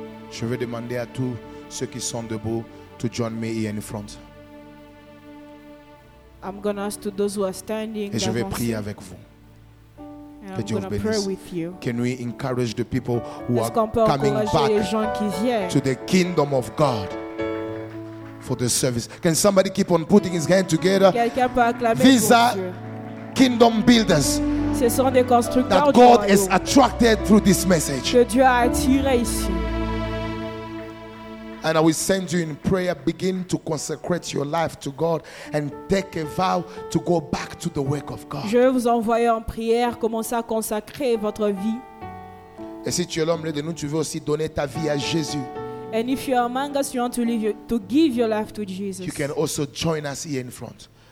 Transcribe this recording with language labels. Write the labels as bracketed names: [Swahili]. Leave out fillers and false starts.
[French] Je veux demander à tous ceux qui sont debout [English] to join me here in front. I'm going to ask to those who are standing. [French] Et je vais prier avec vous. Que Dieu vous bénisse. [English] Can we encourage the people who are coming back to the kingdom of God for the service? Can somebody keep on putting his hand together? [French] Quelqu'un peut acclamer. [English] These are kingdom builders. [French] Ce sont des constructeurs [English] that God has attracted through this message. [French] Que Dieu a attiré ici. [English] And I will send you in prayer. Begin to consecrate your life to God and take a vow to go back to the work of God. [French] Je vais vous envoyer en prière. Commencez à consacrer votre vie. Et si tu es l'homme de nous, tu veux aussi donner ta vie à Jésus. [English] And if you are among us, you want to give your life to Jesus. You can also join us here in front.